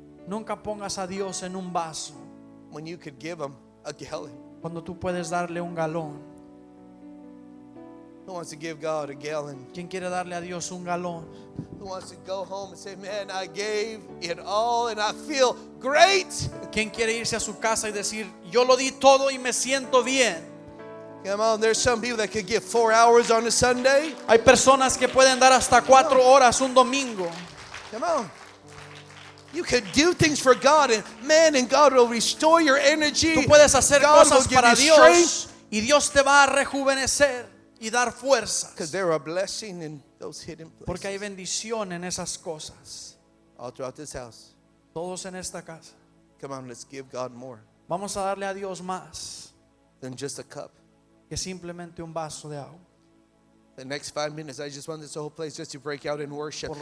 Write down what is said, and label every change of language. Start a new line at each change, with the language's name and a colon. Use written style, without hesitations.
Spanish: Nunca pongas a Dios en un vaso.
English: When you could give him a gallon.
Spanish: Cuando tú puedes darle un galón.
English: Who wants to give God a gallon?
Spanish: ¿Quién quiere darle a Dios un galón?
English: Who wants to go home and say, "Man, I gave it all and I feel great"?
Spanish: ¿Quién quiere irse a su casa y decir, "Yo lo di todo y me siento bien"?
English: Come on, there's some people that could give 4 hours on a Sunday.
Spanish: Hay personas que pueden dar hasta 4 horas un domingo.
English: Come on. You could do things for God, and man, and God will restore your energy.
Spanish: Tú puedes hacer
English: God
Spanish: cosas para Dios, y Dios te va a rejuvenecer y dar fuerzas.
English: Because there are blessings in those hidden places.
Spanish: Porque hay bendición en esas cosas.
English: All throughout this house.
Spanish: Todos en esta casa.
English: Come on, let's give God more.
Spanish: Vamos a darle a Dios más.
English: Than just a cup.
Spanish: Que simplemente un vaso de agua.
English: The next 5 minutes, I just want this whole place just to break out in worship.